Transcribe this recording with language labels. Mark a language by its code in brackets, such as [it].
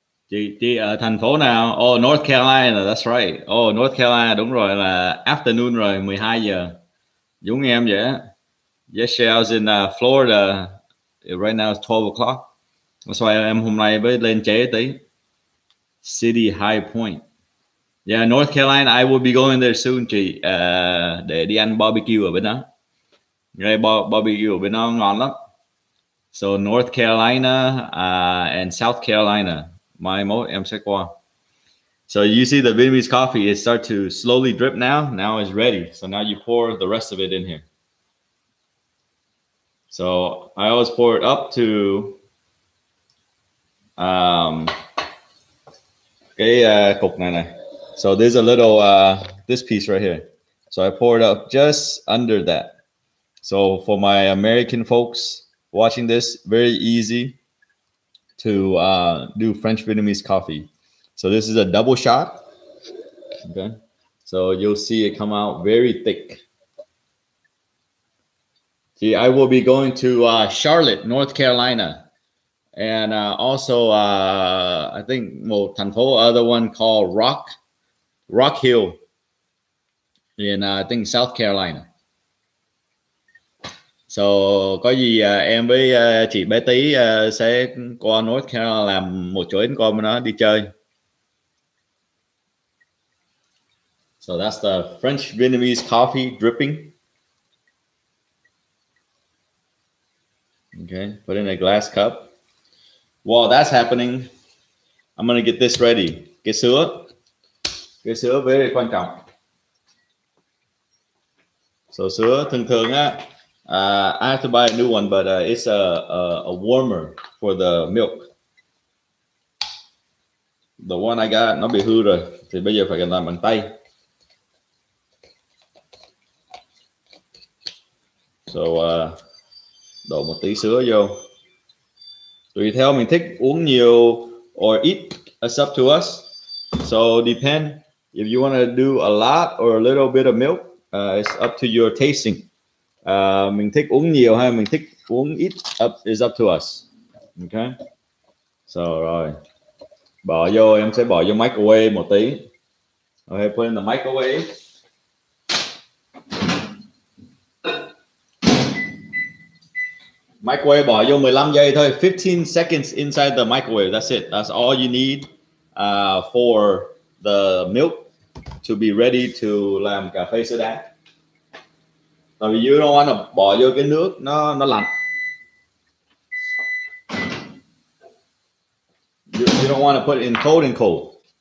[vi] Chị ở thành phố nào? [en] Oh, North Carolina, that's right. [vi] Oh, North Carolina, đúng rồi, là afternoon rồi, 12 giờ. Giống em vậy. [en] Yes, I was in Florida. Right now it's 12 o'clock. That's why [vi] em hôm nay mới lên trễ tí. [en] City High Point. Yeah, North Carolina, I will be going there soon, chị. [vi] Để đi ăn barbecue ở bên đó. Barbecue ở bên đó ngon lắm. [en] So, North Carolina and South Carolina. [vi] Mai mốt em sẽ qua. [en] So you see the Vietnamese coffee, it start to slowly drip now. Now it's ready. So now you pour the rest of it in here. So I always pour it up to [vi] cái cục này này. [en] So there's a little this piece right here. So I pour it up just under that. So for my American folks watching this, very easy to do French Vietnamese coffee. So this is a double shot. Okay. So you'll see it come out very thick. See, I will be going to Charlotte, North Carolina. And also I think well, [vi] thành phố, [en] other one called Rock Hill in I think South Carolina. [vi] So có gì em với chị bé tí sẽ qua North Carolina làm một chuyến con nó đi chơi. [en] So that's the French Vietnamese coffee dripping. Okay, put in a glass cup. While that's happening, I'm gonna get this ready. [vi] Cái sữa. Cái sữa very quan trọng. So sữa thường thường á, [en] I have to buy a new one, but it's a warmer for the milk. The one I got, [vi] nó bị hư rồi. Thì bây giờ phải làm bằng tay. So, đổ một tí sữa vô. Tùy theo mình thích uống nhiều [en] or eat, it's up to us. So, depend if you want to do a lot or a little bit of milk, it's up to your tasting. [vi] Mình thích uống nhiều hay mình thích uống ít, [en] is up to us. Okay? So, [vi] rồi. Bỏ vô, em sẽ bỏ vô microwave một tí. [en] Okay, put in the microwave. [vi] Microwave bỏ vô 15 giây thôi, [en] 15 seconds inside the microwave, that's it. That's all you need for the milk to be ready to [vi] làm cà phê sữa đá. Tại vì [en] you don't want to [vi] bỏ vô cái nước, nó lạnh. [en] You don't want to put it in cold and cold.